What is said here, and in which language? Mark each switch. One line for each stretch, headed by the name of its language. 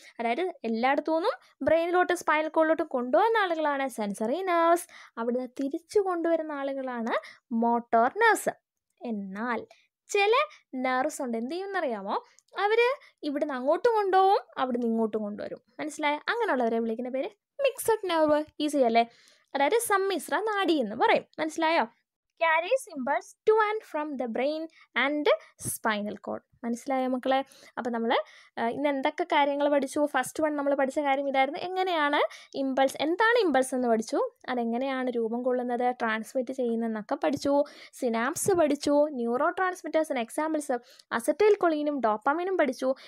Malayalam: അതായത് എല്ലായിടത്തു നിന്നും ബ്രെയിനിലോട്ട് സ്പൈനൽ കോഡിലോട്ടും കൊണ്ടുവന്ന ആളുകളാണ് സെൻസറി നെർവ്സ്, അവിടുന്ന് തിരിച്ചു കൊണ്ടുവരുന്ന ആളുകളാണ് മോട്ടോർ നെർവ്സ്. എന്നാൽ ചില നെർവ്സ് ഉണ്ട്, എന്ത് ചെയ്യുമെന്നറിയാമോ, അവർ ഇവിടെ നിന്ന് അങ്ങോട്ടും കൊണ്ടുപോകും, അവിടെ നിന്ന് ഇങ്ങോട്ടും കൊണ്ടുവരും. മനസ്സിലായോ? അങ്ങനെയുള്ളവരെ വിളിക്കുന്ന പേര് മിക്സഡ് നെർവ്. ഈസി അല്ലേ? അതായത് സമ്മിശ്ര നാഡി എന്ന് പറയും. മനസ്സിലായോ?
English: Carries impulses to and from the brain and spinal cord.
Malayalam: മനസ്സിലായോ മക്കളെ? അപ്പോൾ നമ്മൾ ഇന്ന് എന്തൊക്കെ കാര്യങ്ങൾ പഠിച്ചു? ഫസ്റ്റ് വൺ നമ്മൾ പഠിച്ച കാര്യം ഇതായിരുന്നു, എങ്ങനെയാണ് ഇമ്പൾസ്, എന്താണ് ഇമ്പൾസ് എന്ന് പഠിച്ചു, അതെങ്ങനെയാണ് രൂപം കൊള്ളുന്നത്, ട്രാൻസ്മിറ്റ് ചെയ്യുന്നതെന്നൊക്കെ പഠിച്ചു. സിനാപ്സ് പഠിച്ചു, ന്യൂറോ ട്രാൻസ്മിറ്റേഴ്സിന് എക്സാമ്പിൾസ് അസറ്റൈൽ കൊളീനും ഡോപ്പാമീനും പഠിച്ചു.